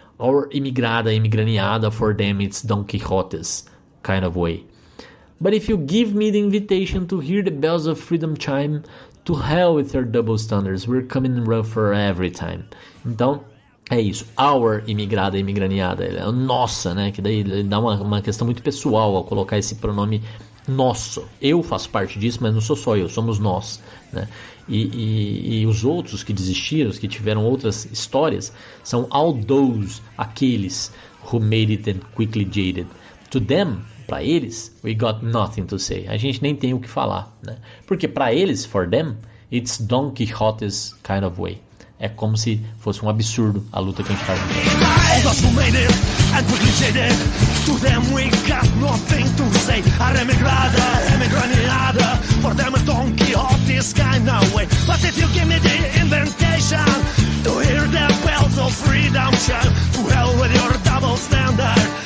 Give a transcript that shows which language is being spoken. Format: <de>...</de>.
<en>Our emigrada, emigraniada, for them it's Don Quixote's kind of way. But if you give me the invitation to hear the bells of freedom chime, to hell with their double standards, we're coming rougher every time."</en> <pt>Então, é isso. Our emigrada, emigraniada. Nossa, né? Que daí dá uma questão muito pessoal ao colocar esse pronome nosso. Eu faço parte disso, mas não sou só eu, somos nós, né? E os outros que desistiram, os que tiveram outras histórias, são</pt> <en>all those,</en> <pt>aqueles</pt> <en>who made it and quickly jaded. To them,</en> <pt>para eles,</pt> <en>we got nothing to say.</en> <pt>A gente nem tem o que falar, né? Porque para eles,</pt> <en>for them, it's Don Quixote's kind of way.</en> <pt>É como se fosse um absurdo a luta que a gente faz.</pt> <en>All those who made it and quickly jaded. To them, we got nothing to say. Arremigrada, emigraniada. For them, it's Don Quixote's kind of way. But if you give me the invitation to hear the bells of freedom chime, to hell with your double standard.</en>